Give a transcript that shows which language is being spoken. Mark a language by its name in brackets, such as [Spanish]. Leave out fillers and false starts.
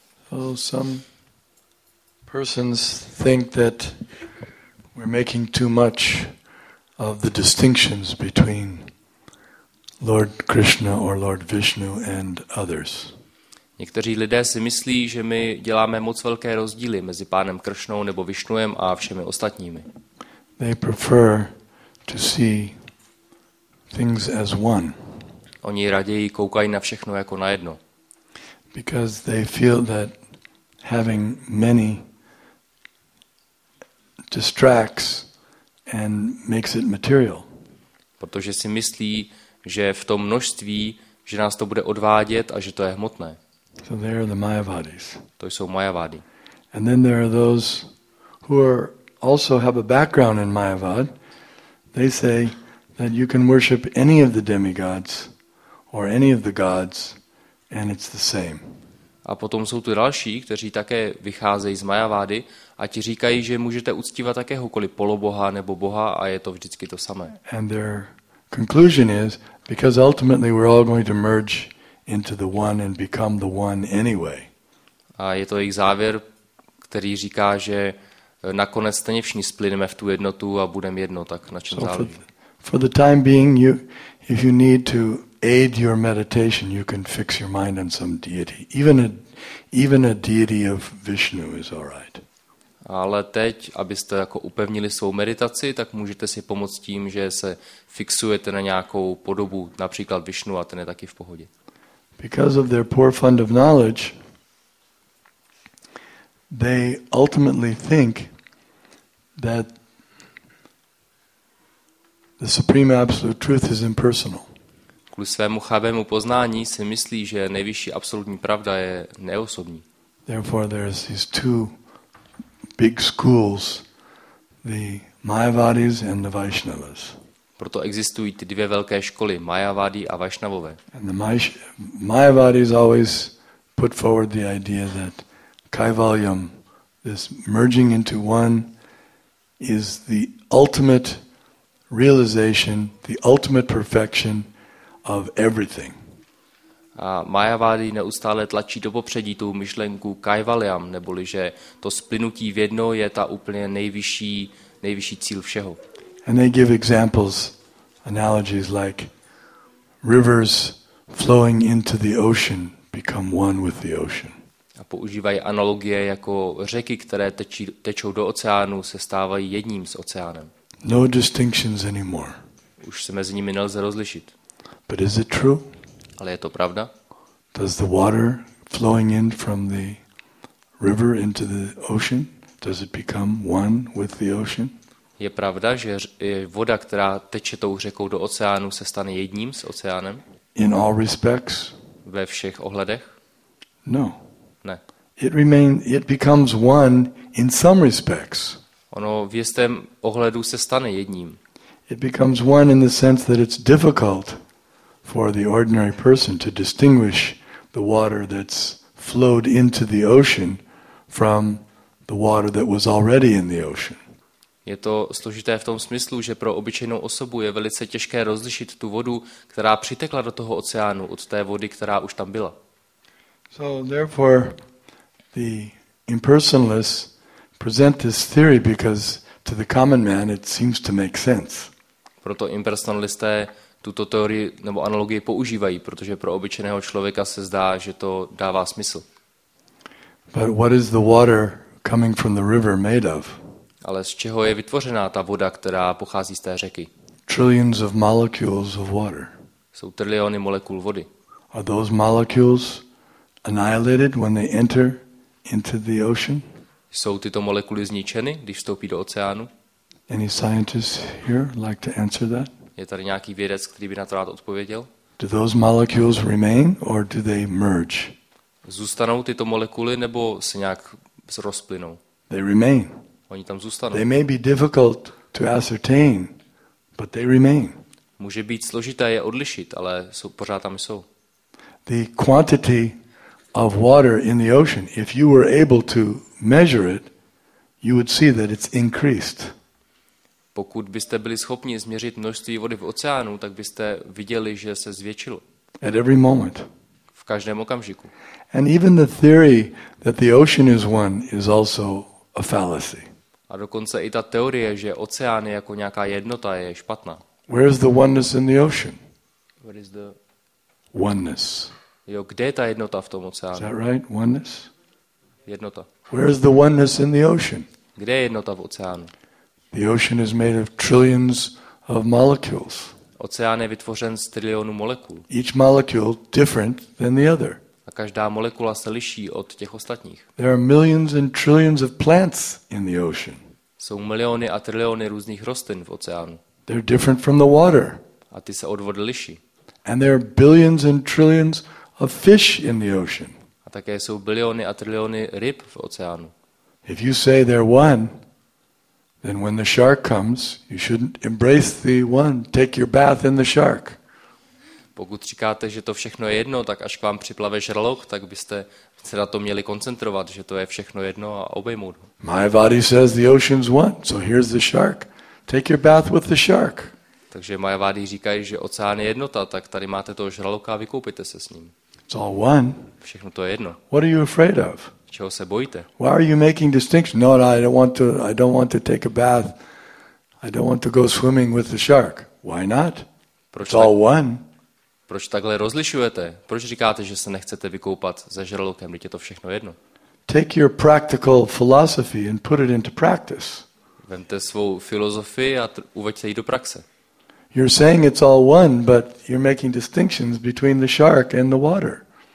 [English] Well, some persons think that we're making too much of the distinctions between Lord Krishna or Lord Vishnu and others. [Czech] Někteří lidé si myslí, že my děláme moc velké rozdíly mezi pánem Kršnou nebo Vishnuem a všemi ostatními. [English] They prefer to see things as one. [Czech] Oni raději koukají na všechno jako na jedno. [English] Because they feel that having many distracts and makes it material. [Czech] Protože si myslí, že v tom množství, že nás to bude odvádět a že to je hmotné. [English] So there are the Mayavadis. [Czech] To jsou Mayavadi. [English] And then there are those who are also have a background in Mayavad. They say that you can worship any of the demigods or any of the gods and it's the same. [Czech] A potom jsou tu další, kteří také vycházejí z Mayavády a ti říkají, že můžete uctívat jakéhokoliv poloboha nebo boha a je to vždycky to samé. [English] And their conclusion is because ultimately we're all going to merge into the one and become the one anyway. [Czech] A je to jejich závěr, který říká, že nakonec stejně všichni splyneme v tu jednotu a budeme jedno, tak na čem záleží. [English] For the time being, you, if you need to aid your meditation, you can fix your mind on some deity. Even a deity of Vishnu is all right. [Czech] Ale teď, abyste jako upevnili svou meditaci, tak můžete si pomoct tím, že se fixujete na nějakou podobu, například Vishnu, a ten je taky v pohodě. [English] Because of their poor fund of knowledge, they ultimately think that the supreme absolute truth is impersonal. [Czech] Kvůli svému chabému poznání si myslí, že nejvyšší absolutní pravda je neosobní. [English] Therefore there is these two big schools, the Mayavadis and the Vaishnavas. [Czech] Proto existují ty dvě velké školy, Mayavadi a Vaishnavové. [English] And the Mayavadis always put forward the idea that Kaivalyam, this merging into one, is the ultimate realization, the ultimate perfection of everything. [Czech] A Mayavadi neustále tlačí do popředí tu myšlenku Kaivalyam, neboli že to splynutí v jedno je ta úplně nejvyšší cíl všeho. [English] And they give examples, analogies like rivers flowing into the ocean become one with the ocean. [Czech] A používají analogie jako řeky, které tečou do oceánu, se stávají jedním s oceánem. [English] No distinctions anymore. [Czech] Už se mezi nimi nelze rozlišit. [English] But is it true? [Czech] Ale je to pravda? [English] Does the water flowing in from the river into the ocean, does it become one with the ocean? [Czech] Je pravda, že voda, která teče tou řekou do oceánu, se stane jedním s oceánem? [English] In all respects? [Czech] Ve všech ohledech? [English] No. [Czech] Ne. [English] It becomes one in some respects. [Czech] Ono v jistém ohledu se stane jedním. [English] It becomes one in the sense that it's difficult for the ordinary person to distinguish the water that's flowed into the ocean from the water that was already in the ocean. [Czech] Je to složité v tom smyslu, že pro obyčejnou osobu je velice těžké rozlišit tu vodu, která přitekla do toho oceánu, od té vody, která už tam byla. [English] So therefore the impersonalists present this theory because to the common man it seems to make sense. [Czech] Proto impersonalisté tuto teorii nebo analogii používají, protože pro obyčejného člověka se zdá, že to dává smysl. [English] But what is the water coming from the river made of? [Czech] Ale z čeho je vytvořená ta voda, která pochází z té řeky? [English] Trillions of molecules of water. [Czech] Jsou triliony molekul vody. [English] Are those molecules annihilated when they enter into the ocean? [Czech] Jsou tyto molekuly zničeny, když vstoupí do oceánu? [English] Any scientists here like to answer that? [Czech] Je tady nějaký vědec, který by na to rád odpověděl? [English] Do those molecules remain or do they merge? [Czech] Zůstanou tyto molekuly nebo se nějak rozplynou? [English] They remain. [Czech] Oni tam zůstanou. [English] They may be difficult to ascertain, but they remain. [Czech] Může být složité je odlišit, ale jsou pořád tam jsou. [English] The quantity of water in the ocean, if you were able to measure it, you would see that it's increased. [Czech] Pokud byste byli schopni změřit množství vody v oceánu, tak byste viděli, že se zvětšilo. [English] At every moment. [Czech] V každém okamžiku. [English] And even the theory that the ocean is one is also a fallacy. [Czech] A dokonce i ta teorie, že oceán je jako nějaká jednota, je špatná. [English] Where is the oneness in the ocean? Where is the oneness? [Czech] Jo, kde je ta jednota v tom oceánu? [English] Is that right? Oneness? [Czech] Jednota. [English] Where is the oneness in the ocean? [Czech] Kde je jednota v oceánu? [English] The ocean is made of trillions of molecules. [Czech] Oceán je vytvořen z trilionů molekul. [English] Each molecule different than the other. [Czech] A každá molekula se liší od těch ostatních. [English] There are millions and trillions of plants in the ocean. [Czech] Jsou miliony a triliony různých rostlin v oceánu. [English] They're different from the water. [Czech] A ty se od vody liší. [English] And there are billions and trillions of fish in the ocean. [Czech] A také jsou biliony a triliony ryb v oceánu. [English] If you say they're one, then when the shark comes, you shouldn't embrace the one. Take your bath in the shark. [Czech] Pokud říkáte, že to všechno je jedno, tak až k vám připlave žralok, tak byste se na to měli koncentrovat, že to je všechno jedno a obejmout. [English] My body says the ocean's one, so here's the shark. Take your bath with the shark. [Czech] Takže Mayavadi říkají, že oceán je jednota, tak tady máte toho žraloka a vykoupíte se s ním. [English] It's all one. [Czech] Všechno to je jedno. [English] What are you afraid of? [Czech] Čeho se bojíte? [English] Why are you making distinction? No, no, I don't want to take a bath. I don't want to go swimming with the shark. Why not? [Czech] Proč [English] It's all one. [Czech] Proč takhle rozlišujete? Proč říkáte, že se nechcete vykoupat za žralokem, když je to všechno jedno? [English] Take your practical philosophy and put it into practice. [Czech] Vemte svou filozofii a uveďte ji do praxe. [English] You're saying it's all one, but you're making distinctions between the shark and the water.